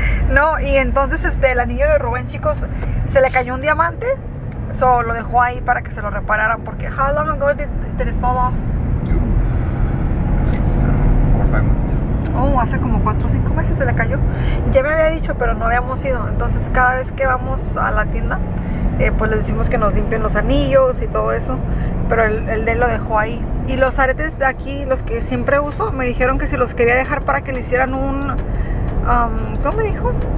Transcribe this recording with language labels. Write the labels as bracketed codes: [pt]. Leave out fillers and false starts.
[es] No, y entonces el anillo de Ruben, chicos, se le cayó un diamante. So, lo dejó ahí para que se lo repararan. Porque, [en] how long ago did it fall off? 4 o 5 months. [es] Oh, hace como 4 o 5 meses se le cayó. Ya me había dicho, pero no habíamos ido. Entonces, cada vez que vamos a la tienda, pues les decimos que nos limpien los anillos y todo eso. Pero el de él lo dejó ahí. Y los aretes de aquí, los que siempre uso, me dijeron que si los quería dejar para que le hicieran un... ¿cómo me dijo?